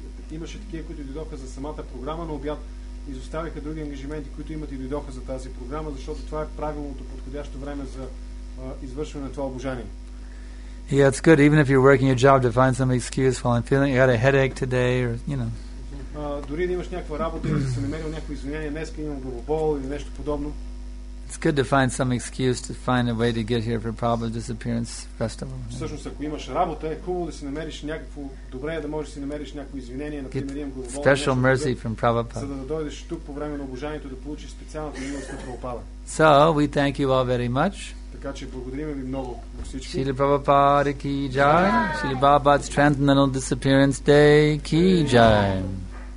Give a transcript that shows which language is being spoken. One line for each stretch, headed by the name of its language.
Bulgarian: Имаше такива, които дойдоха за самата програма на обяд, изоставиха други ангажименти, които имат и дойдоха за тази програма, защото това е правилното подходящо време за извършване на това обожание.
English: Yeah, it's good, even if you're working your job, to find some excuse while I'm feeling you had a headache today, or, you know.
Bulgarian: Дори да имаш някаква работа, да си намерил някакво извинение, днеска имам главобол или нещо подобно.
English: It's good to find some excuse to find a way to get here for Prabhupada's disappearance festival.
Bulgarian: Всъщност, ако имаш работа, е хубаво да си намериш някакво добре, да можеш да си намериш някакво извинение, например, имам глобално.
English: Special mercy from Prabhupada.
Bulgarian: За да дойдеш тук по време на обожанието да получиш специалната милост на Прабхупада.
English: So, we thank you all very much.
Bulgarian: Така че благодарим ви много всички.
Hindi: Шрила Прабхупада ки джай. Шрила Прабхупада's
English: Transcendental Disappearance Day
Hindi: ки джай.